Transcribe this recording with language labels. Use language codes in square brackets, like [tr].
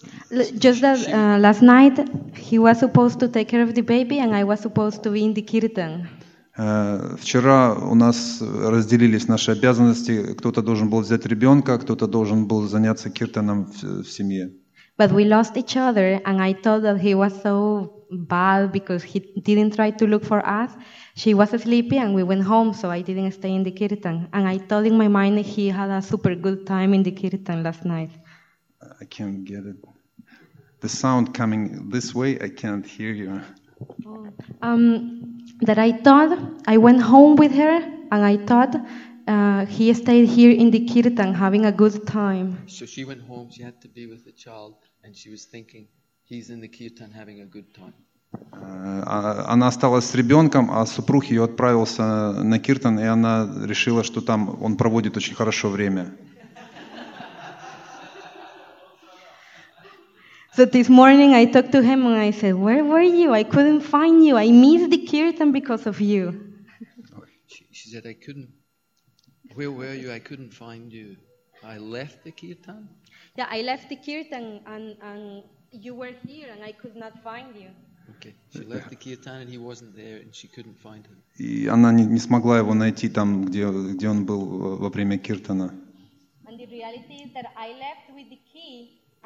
[en] Last night he was supposed to take care of the baby and I was supposed to be in the kirtan. [ru] Вчера у нас разделились наши обязанности. Кто-то должен был взять ребенка, кто-то должен был заняться киртаном в семье. [en] But we lost each other and I thought that he was so bad because he didn't try to look for us. She was sleepy and we went home, so I didn't stay in the kirtan. And I thought in my mind he had a super good time in the kirtan last night. I can't get it. The sound coming this way, I can't hear you. That I thought, I went home with her, and I thought he stayed here in the kirtan having a good time. So she went home, she had to be with the child, and she was thinking, he's in the kirtan having a good time. [ru] Она осталась с ребенком, а супруг ее отправился на киртан, и она решила, что там он проводит очень хорошо время. [en] So this morning I talked to him and I said, "Where were you? I couldn't find you. I missed the kirtan because of you." She said, "I couldn't. Where were you? I couldn't find you. I left the kirtan." Yeah, I left the kirtan and you were here and I could not find you. Okay, she left the kirtan and he wasn't there and she couldn't find him. [ru] И она не смогла его найти там, где он был во время киртана. [en] And the reality is that I left with the key.